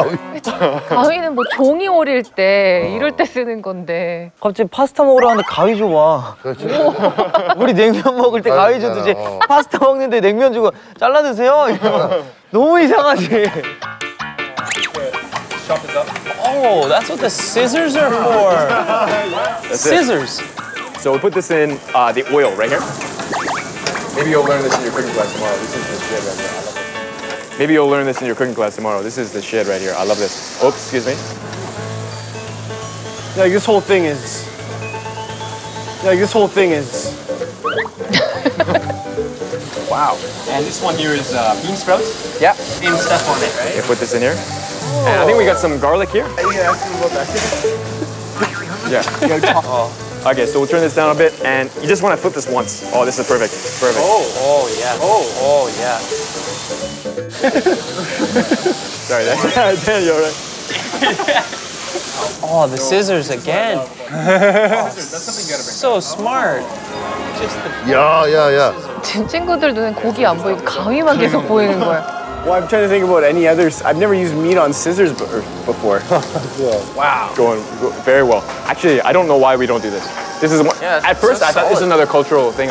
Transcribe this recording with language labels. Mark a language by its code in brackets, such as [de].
[ko] 웃음> 가위는 뭐 종이 오릴 때 이럴 때 쓰는 건데 갑자기 파스타 먹으러 왔는데 가위 줘봐 그렇죠 우리 냉면 먹을 때 가위 줬듯이 파스타 먹는데 냉면 주고 잘라 드세요 너무 이상하지 [en] Oh, that's what the scissors are for Scissors So we put this in the oil right here Maybe you'll learn this in your cooking class tomorrow This is the shit right here Maybe you'll learn this in your cooking class tomorrow. This is the shit right here. I love this. Oops, excuse me. Like this whole thing is. Like this whole thing is. Wow. And this one here is bean sprouts. Yeah. Same stuff on it, right? You put this in here. Oh. And I think we got some garlic here. Yeah, I can go back here. Yeah. Okay, so we'll turn this down a bit, and you just want to flip this once. Oh, this is perfect. Perfect. Oh, yeah. Sorry, Dan, you alright? Oh, the scissors again. So smart. Yeah. [ko] 제 친구들 눈엔 고기 안 보이고 가위만 계속 보이는 거야. [en] Well, I'm trying to think about any others. I've never used meat on scissors before. Wow. Going very well. Actually, I don't know why we don't do this. This is one, yeah, at first, I thought this was another cultural thing.